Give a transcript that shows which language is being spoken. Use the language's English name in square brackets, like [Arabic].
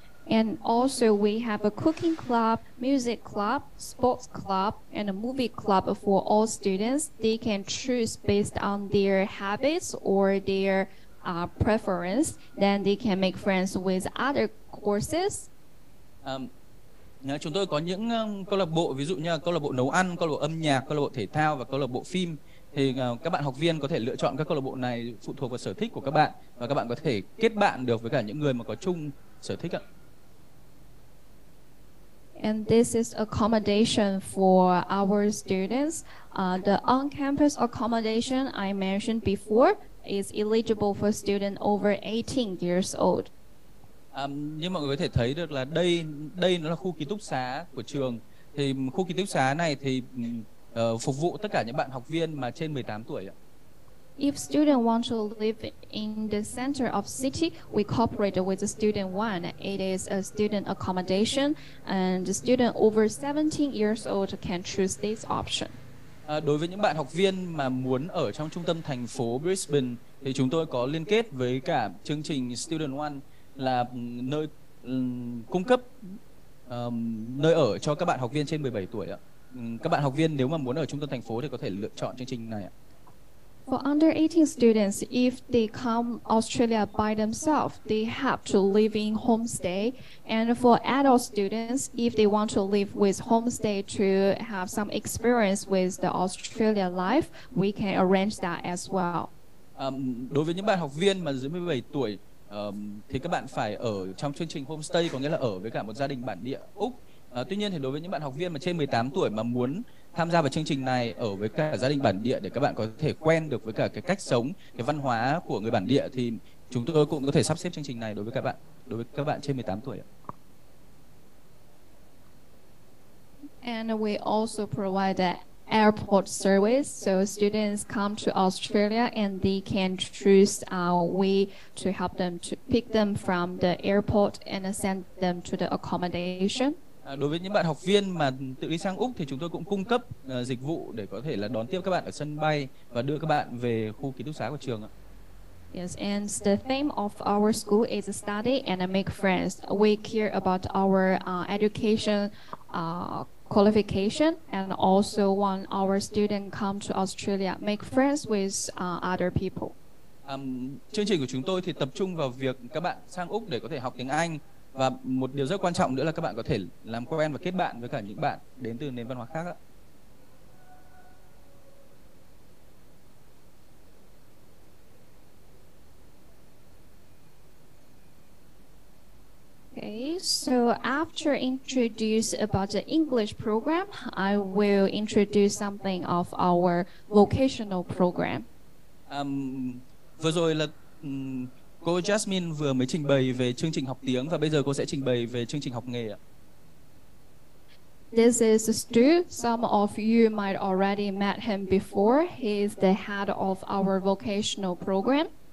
[English] And also we have a cooking club, music club, sports club, and a movie club for all students. They can choose based on their habits or their preference. Then they can make friends with other courses. [Vietnamese] Chúng tôi có những câu lạc bộ, ví dụ như câu lạc bộ nấu ăn, câu lạc bộ âm nhạc, câu lạc bộ thể thao và câu lạc bộ phim. Thì các bạn học viên có thể lựa chọn các câu lạc bộ này phụ thuộc vào sở thích của các bạn. Và các bạn có thể kết bạn được với cả những người mà có chung sở thích ạ. [English] And this is accommodation for our students. The on-campus accommodation I mentioned before is eligible for students over 18 years old. [Vietnamese] Như mọi người có thể thấy được là đây nó là khu ký túc xá của trường. Thì khu ký túc xá này thì phục vụ tất cả những bạn học viên mà trên 18 tuổi ạ. [English] If student want to live in the center of city, we cooperate with the student one. It is a student accommodation, and the student over 17 years old can choose this option. [Vietnamese] Đối với những bạn học viên mà muốn ở trong trung tâm thành phố Brisbane, thì chúng tôi có liên kết với cả chương trình student one là nơi cung cấp nơi ở cho các bạn học viên trên 17 tuổi ạ. Các bạn học viên nếu mà muốn ở trung tâm thành phố thì có thể lựa chọn chương trình này ạ. [English] For under 18 students, if they come Australia by themselves, they have to live in homestay. And for adult students, if they want to live with homestay to have some experience with the Australia life, we can arrange that as well. [Vietnamese] Đối với những bạn học viên mà dưới 17 tuổi, thì các bạn phải ở trong chương trình homestay, có nghĩa là ở với cả một gia đình bản địa Úc. Tuy nhiên thì đối với những bạn học viên mà trên 18 tuổi mà muốn tham gia vào chương trình này ở với cả gia đình bản địa để các bạn có thể quen được với cả cái cách sống, cái văn hóa của người bản địa thì chúng tôi cũng có thể sắp xếp chương trình này đối với các bạn trên 18 tuổi. [English] And we also provide an airport service so students come to Australia and they can choose our way to help them to pick them from the airport and send them to the accommodation. [Vietnamese] Đối với những bạn học viên mà tự đi sang Úc thì chúng tôi cũng cung cấp dịch vụ để có thể là đón tiếp các bạn ở sân bay và đưa các bạn về khu ký túc xá của trường ạ. [English] Yes, and the theme of our school is study and make friends. We care about our education qualification and also want our students come to Australia, make friends with other people. [Vietnamese] Chương trình của chúng tôi thì tập trung vào việc các bạn sang Úc để có thể học tiếng Anh. Và một điều rất quan trọng nữa là các bạn có thể làm quen và kết bạn với cả những bạn đến từ nền văn hóa khác ạ. [English] Okay, so after introduce about the English program, I will introduce something of our vocational program. [Vietnamese] Vừa rồi là cô Jasmine vừa mới trình bày về chương trình học tiếng và bây giờ cô sẽ trình bày về chương trình học nghề ạ. [English] This is Stu. Some of you might already met him before. He is the head of our vocational program.